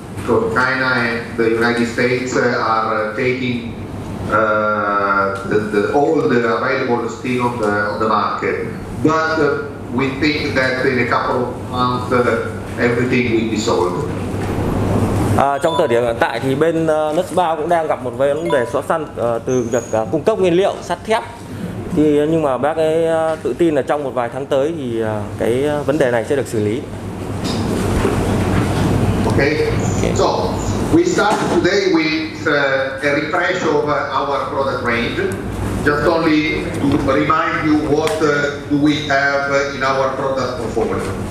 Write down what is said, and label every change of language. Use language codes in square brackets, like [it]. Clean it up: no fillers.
[en] So China and the United States are taking all the available steel on the market. But we think that in a couple of months everything will be solved. [vi] Trong thời điểm hiện tại thì bên Lusbao cũng đang gặp một vấn đề khó khăn từ việc cung cấp nguyên liệu sắt thép. Thì nhưng mà bác ấy tự tin là trong một vài tháng tới thì cái vấn đề này sẽ được xử lý. [en] Okay. So, we start today with a refresh of our product range. Just only to remind you what do we have in our product portfolio.